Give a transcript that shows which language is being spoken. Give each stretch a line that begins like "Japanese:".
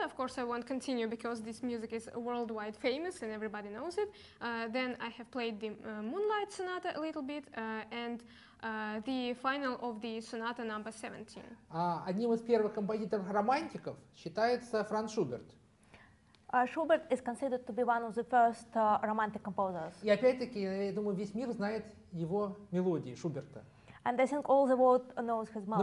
English: Of course, I won't continue because this music is worldwide famous and everybody knows it. Then I have played the Moonlight Sonata a little bit and the final of the Sonata number 17.
Russian: Одним из первых композиторов романтиков считается Франц Шуберт.
English: Schubert is considered to be one of the first romantic composers.
Russian: И опять-таки, я думаю, весь мир знает его мелодии Шуберта.
English: And I think all the world knows his mother.